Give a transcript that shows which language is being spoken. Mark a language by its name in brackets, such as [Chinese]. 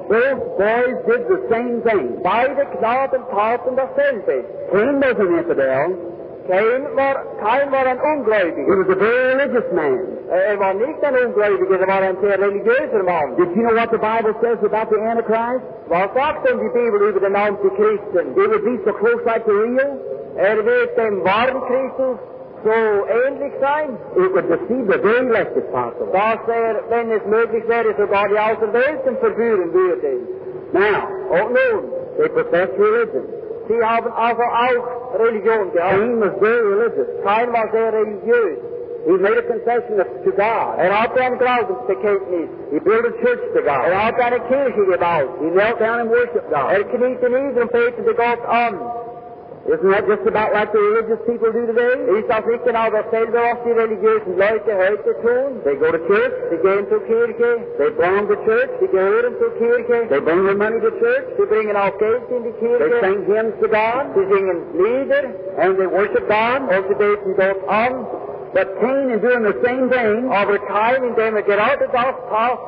[English] Both boys did the same thing. [German] Beide Knaben taten dasselbe. [English] Cain was an infidel. [German] Cain war ein Ungläubiger. [English] He was a very religious man. [German] Er war nicht ein Ungläubiger, er war ein sehr religiöser Mann. [English] Did you know what the Bible says about the Antichrist? [German] Was sagt denn die Bibel über den Antichristen? [English] He would be so close like the real. [German] Er wird dem wahren Christus so ähnlich sein, [English] it would deceive the very least as possible. [German] Dass er, wenn es möglich wäre, sogar die Außenwelten verführen würde. [English] Now, [German] und nun, [English] they profess religion. [German] Sie haben also auch Religion gehabt. [English] Cain was very religious. [German] Cain war sehr religiös. [English] He made a confession to God. [German] Er hat ein Glaubensbekenntnis. [English] He built a church to God. [German] Er hat eine Kirche gebaut. [English] He knelt down and worshipped God. [German] Er kniete nieder und betete Gott an. [English] Isn't that just about like the religious people do today? [German] Ist das nicht genau dasselbe, was die religiösen Leute heute tun? [English] They go to church. [German] Sie gehen zur Kirche. [English] They belong to church. [German] Sie gehören zur Kirche. [English] They bring their money to church. [German] Sie bringen auch Geld in die Kirche. [English] They sing hymns to God. [German] Sie singen Lieder. [English] And they worship God. [German] Und sie beten Gott an. [English] But Cain, in doing the same thing, [German] aber Cain, indem er gerade das tat,